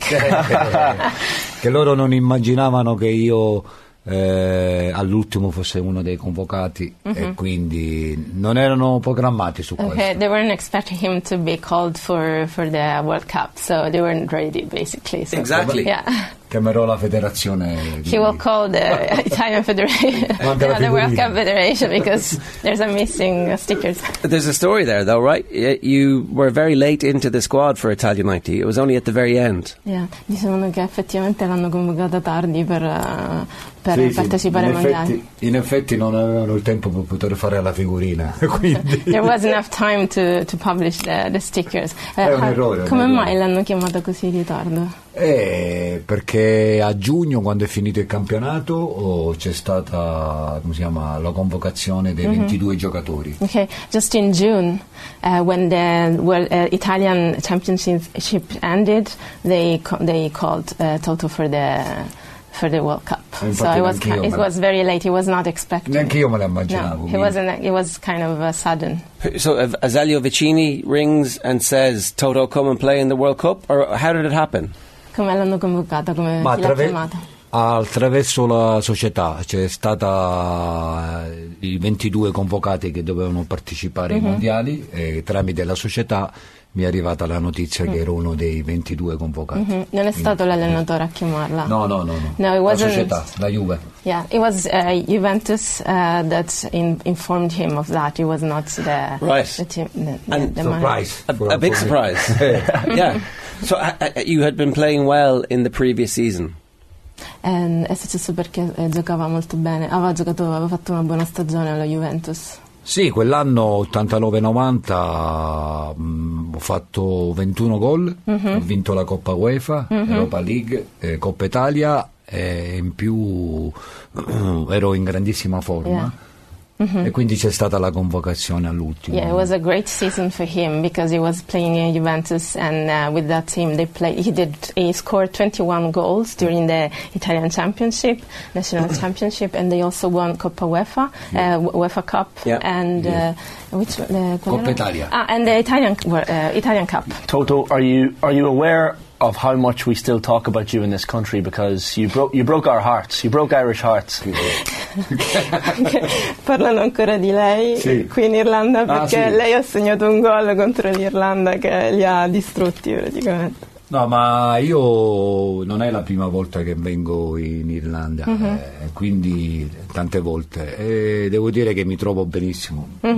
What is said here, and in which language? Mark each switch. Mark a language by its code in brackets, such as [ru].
[it] Che loro non immaginavano che io all'ultimo fosse uno dei convocati, mm-hmm. e quindi non erano programmati su questo. [en] They weren't expecting him to be called for the World Cup, so they weren't ready, basically. So. Exactly. Yeah. [it] Chiamerò la federazione. [en] He will call the Italian Federation, the other World Cup Federation, because there's a missing stickers. There's a story there, though, right? You were very late into the squad for Italia 90. It was only at the very end. [it] Yeah, dicevano che effettivamente l'hanno convocata tardi per sì, partecipare ai mondiali. In effetti non avevano il tempo per poter fare la figurina. [en] There was enough time to publish the stickers. [it] È un errore. Come mai l'hanno chiamata così in ritardo? Perché a giugno, quando è finito il campionato, c'è stata, come si chiama, la convocazione dei 22 mm-hmm. giocatori. [en] Okay, just in June, when the Italian championship ended, they called Toto for the World Cup. [it] Infatti, [en] so it was very late. It was not expected. [it] Neanche io me l'immaginavo. [en] No, it was kind of sudden. So Azzelio Vicini rings and says, "Toto, come and play in the World Cup." Or how did it happen? [it] Come l'hanno convocata, come l'ha chiamata? Attraverso la società, c'è stata i 22 convocati che dovevano partecipare mm-hmm. ai mondiali, e tramite la società mi è arrivata la notizia mm-hmm. che ero uno dei 22 convocati. Mm-hmm. Non è stato l'allenatore a chiamarla? No, la società, la Juve. [en] Yeah, it was Juventus that informed him of that. It was not the right. the team. The surprise. A big surprise. Yeah. So you had been playing well in the previous season. [it] È successo perché giocava molto bene. Aveva fatto una buona stagione alla Juventus. Sì, quell'anno 89-90 ho fatto 21 gol, mm-hmm. ho vinto la Coppa UEFA, mm-hmm. Europa League, Coppa Italia, e in più ero in grandissima forma. [en] Yeah. [it] Mm-hmm. E quindi c'è stata la convocazione all'ultimo. [en] Yeah, it was a great season for him because he was playing in Juventus, and with that team he scored 21 goals during the Italian Championship, National Championship, and they also won Coppa UEFA, UEFA Cup, yeah. And which [it] Coppa era? Italia. [en] And the Italian Cup. Toto, are you aware of how much we still talk about you in this country, because you broke our hearts, you broke Irish hearts. [it] Parlano ancora di lei, sì. Qui in Irlanda, perché sì. Lei ha segnato un gol contro l'Irlanda che li ha distrutti praticamente. No, ma io non è la prima volta che vengo in Irlanda, mm-hmm. Quindi tante volte, e devo dire che mi trovo benissimo, mm-hmm.